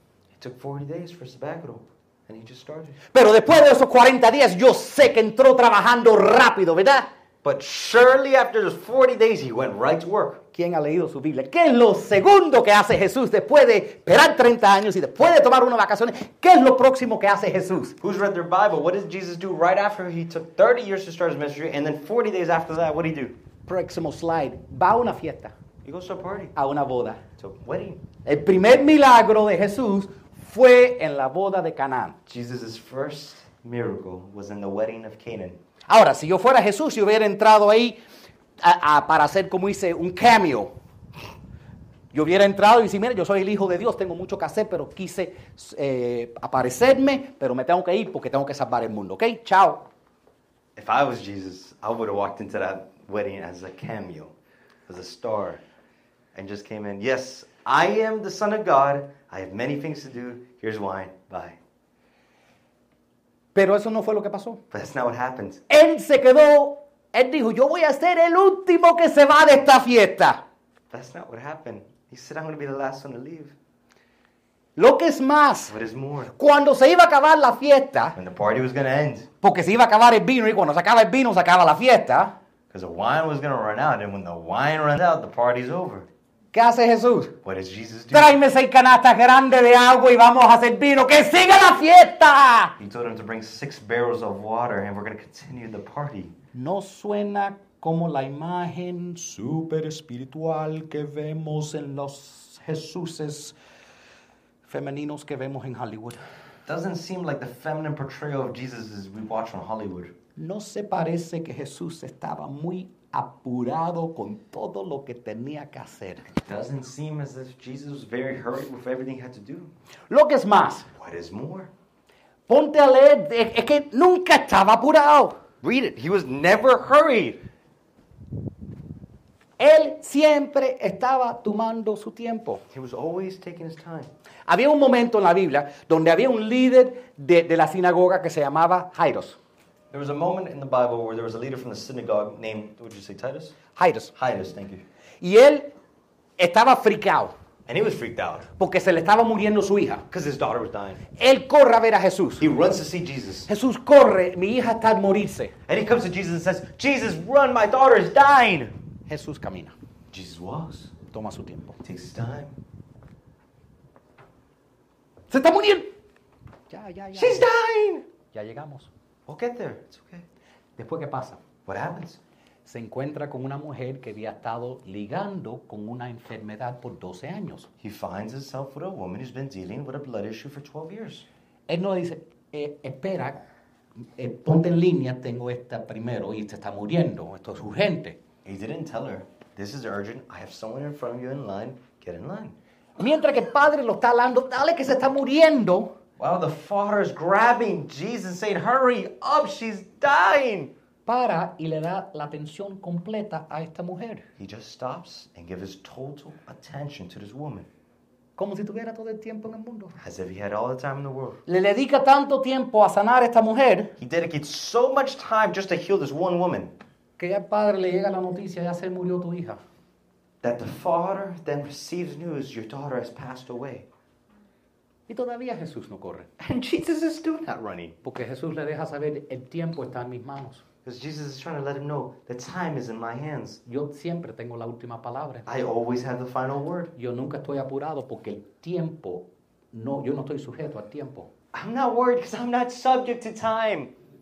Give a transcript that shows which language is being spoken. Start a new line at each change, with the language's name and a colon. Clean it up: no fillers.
English: He took 40 days for sabbatical, and he just started.
Spanish: Pero después de esos 40 días, yo sé que entró trabajando rápido, ¿verdad?
English: But surely after those 40 days, he went right to work.
Spanish: ¿Quién ha leído su Biblia? ¿Qué es lo segundo que hace Jesús después de esperar 30 años y después de tomar unas vacaciones? ¿Qué es lo próximo que hace Jesús?
English: Who's read their Bible? What does Jesus do right after he took 30 years to start his ministry and then 40 days after that, what do he do?
Spanish: Próximo slide. Va a una fiesta.
English: He goes to a party.
Spanish: A una boda.
English: To a wedding.
Spanish: El primer milagro de Jesús fue en la boda de Caná.
English: Jesus' first miracle was in the wedding of Canaan.
Spanish: Ahora, si yo fuera Jesús y hubiera entrado ahí para hacer como hice un cameo, yo hubiera entrado y dice, mire, yo soy el Hijo de Dios, tengo mucho que hacer, pero quise aparecerme, pero me tengo que ir porque tengo que salvar el mundo. Okay, chao.
English: If I was Jesus, I would have walked into that wedding as a cameo, as a star, and just came in. Yes, I am the Son of God. I have many things to do. Here's wine. Bye.
Spanish: Pero eso no fue lo que pasó.
English: But that's not what happened.
Spanish: Él se quedó. Él dijo, yo voy a ser el último que se va de esta fiesta.
English: That's not what happened. He said, I'm going to be the last one to leave.
Spanish: Lo que es más.
English: What is more?
Spanish: Cuando se iba a acabar la fiesta.
English: When the party was going to end.
Spanish: Porque se iba a acabar el vino. Y cuando se acaba el vino, se acaba la fiesta.
English: Because the wine was going to run out. And when the wine runs out, the party's over.
Spanish: ¿Qué hace Jesús?
English: What does Jesus do?
Spanish: Tráeme 6 canastas grandes de agua y vamos a hacer vino. ¡Que siga la fiesta!
English: He told him to bring 6 barrels of water and we're going to continue the party.
Spanish: ¿No suena como la imagen super espiritual que vemos en los Jesuses femeninos que vemos en Hollywood?
English: Doesn't seem like the feminine portrayal of Jesus as we watch on Hollywood.
Spanish: ¿No se parece que Jesús estaba muy apurado con todo lo que tenía que hacer?
English: It doesn't seem as if Jesus was very hurried with everything he had to do.
Spanish: Lo que es más.
English: What is more?
Spanish: Ponte a leer. Es que nunca estaba apurado.
English: Read it. He was never hurried.
Spanish: Él siempre estaba tomando su tiempo.
English: He was always taking his time.
Spanish: Había un momento en la Biblia donde había un líder de la sinagoga que se llamaba Jairo.
English: There was a moment in the Bible where there was a leader from the synagogue named, what did you say, Titus? Jairus. Jairus, thank you.
Spanish: Y él estaba frikado.
English: And he was freaked out.
Spanish: Porque se le estaba muriendo su hija.
English: Because his daughter was dying.
Spanish: Él corre a ver a Jesús.
English: He runs to see Jesus.
Spanish: Jesús corre, mi hija está al morirse.
English: And he comes to Jesus and says, Jesus, run, my daughter is dying.
Spanish: Jesús camina.
English: Jesus walks.
Spanish: Toma su tiempo.
English: Takes his time.
Spanish: Se está muriendo.
English: She's dying.
Spanish: Ya llegamos.
English: We'll get there. It's okay.
Spanish: Después, ¿qué pasa?
English: What happens?
Spanish: Se encuentra con una mujer que había estado ligando con una enfermedad por 12 años.
English: He finds himself with a woman who's been dealing with a blood issue for 12 years.
Spanish: Él no dice, espera, ponte en línea, tengo esta primero y se está muriendo. Esto es urgente.
English: He didn't tell her, this is urgent, I have someone in front of you in line, get in line.
Spanish: Mientras que el padre lo está hablando, dale que se está muriendo.
English: While the father is grabbing Jesus saying, hurry up, she's dying.
Spanish: Para y le da la atención completa a esta mujer.
English: He just stops and gives his total attention to this woman.
Spanish: Como si tuviera todo el tiempo en el mundo.
English: As if he had all the time in the world.
Spanish: Le dedica tanto tiempo a sanar a esta mujer.
English: He dedicates so much time just to heal this one woman.
Spanish: Que ya el padre le llega la noticia, ya se murió tu hija.
English: That the father then receives news, your daughter has passed away.
Spanish: Y todavía Jesús no corre.
English: And Jesus is still not running.
Spanish: Porque Jesús le deja saber, el tiempo está en mis manos.
English: Because Jesus is trying to let him know the time is in my hands.
Spanish: Yo siempre tengo la última palabra.
English: I always have the final word.
Spanish: Yo nunca estoy apurado porque el tiempo no, yo no estoy sujeto al tiempo.
English: I'm not worried because I'm not subject to time.